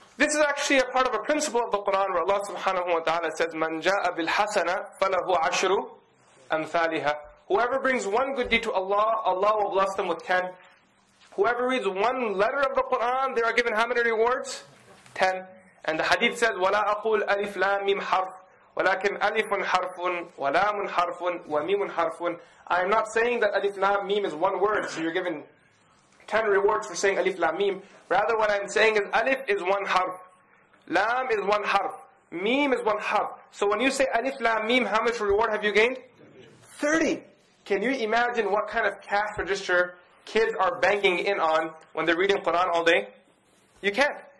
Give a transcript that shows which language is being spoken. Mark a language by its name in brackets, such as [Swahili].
[English] This is actually a part of a principle of the Quran where Allah subhanahu wa ta'ala says, [Arabic] man ja'a bil hasana falahu ashru amthaliha. [English] Whoever brings one good deed to Allah, Allah will bless them with 10. Whoever reads one letter of the Quran, they are given how many rewards? 10. And the hadith says, [Arabic] وَلَا أَقُولْ أَلِفْ لَا مِمْ حَرْفٍ وَلَكِنْ أَلِفٌ حَرْفٌ وَلَامٌ حَرْفٌ وَمِيمٌ حَرْفٌ. [English] I am not saying that [Arabic] أَلِفْ لَا مِمْ [English] is one word, so you're given 10 rewards for saying أَلِفْ لَا مِمْ. Rather, what I am saying is أَلِفْ is one harf. لَام is one harf. مِمْ is one harf. So when you say [Arabic] أَلِفْ لَا مِمْ, [English] how much reward have you gained? 30. Can you imagine what kind of cash register kids are banking in on when they're reading Quran all day? You can't.